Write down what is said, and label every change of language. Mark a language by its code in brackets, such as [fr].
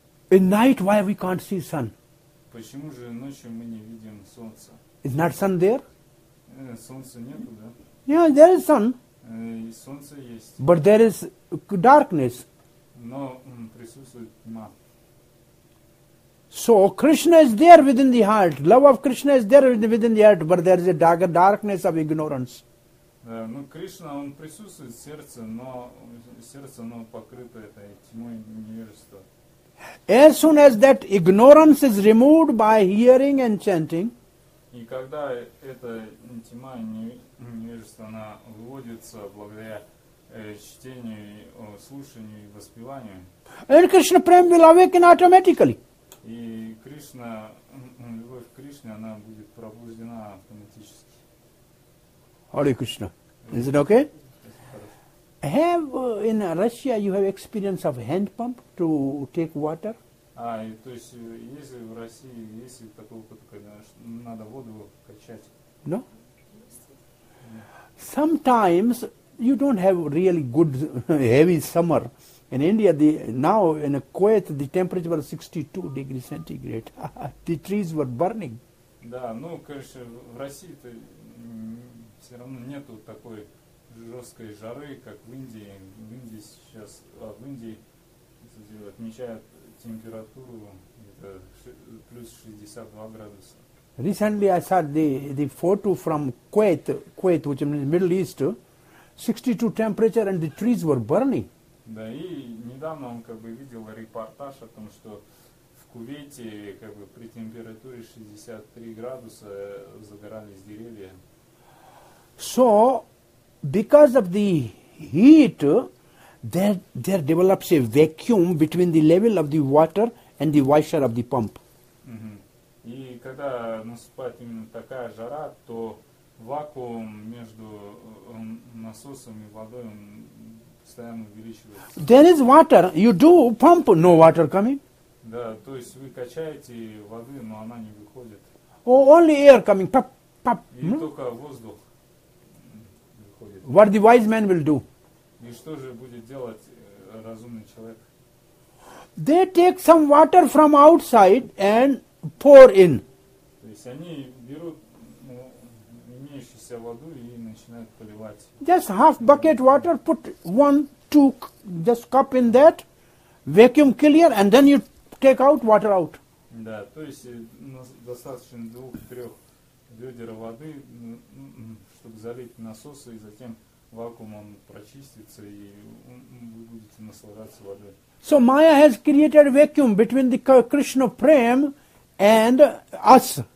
[en] In night, why we can't see sun? [ru] Почему же ночью мы не видим солнца? [en] Is not sun there? [ru] Солнца нету, да? [en] Yeah, there is sun. [ru] И солнце есть. [en] But there is darkness. [ru] Но присутствует тьма. [en] So Krishna is there within the heart. Love of Krishna is there within the heart, but there is a darkness of ignorance. [ru] Ну, Кришна, он присутствует в сердце, но сердце, оно покрыто этой тьмой невежества. [en] As soon as that ignorance is removed by hearing and chanting, [ru] и когда эта тьма невежества она выводится благодаря чтению, слушанию и воспеванию, [en] and Krishna prem will awaken automatically. [ru] И Кришна, любовь к Кришне, она будет пробуждена автоматически. [en] Hare Krishna. Is it okay? Have in Russia you have experience of hand pump to take water? [ru] То есть если в России есть такой опыт, конечно, надо воду качать. [en] No. Sometimes you don't have really good heavy summer. In India, in Kuwait the temperature was 62 degrees centigrade. The trees were burning. [ru] Да, ну конечно в России то все равно нету такой жесткой жары, как в Индии. В Индии отмечают температуру где-то плюс 62 градуса. [en] Recently I saw the photo from Kuwait, which is Middle East, 62 temperature and the trees were burning. [ru] Да, и недавно он как бы видел репортаж о том, что в Кувейте как бы при температуре 63 градуса загорались деревья. [en] So because of the heat, there develops a vacuum between the level of the water and the washer of the pump. [ru] И когда наступает именно такая жара, то вакуум между насосом и водой постоянно увеличивается. [en] There is water. You do pump, no water coming. [ru] Да, то есть вы качаете воды, но она не выходит. [en] Only air coming, pop, pop. [ru] И только воздух выходит. [en] What the wise man will do? [ru] И что же будет делать разумный человек? [en] They take some water from outside and pour in. [ru] То есть они берут имеющуюся воду и начинают поливать. [en] Just half bucket water, put one, two, just cup in that, vacuum clear, and then you take out water out. [ru] Да, то есть достаточно двух-трех ведер воды, чтобы залить насосы, и затем вакуум он прочистится, и вы будете наслаждаться водой. [en] So Maya has created a vacuum between the Krishna Prem and us.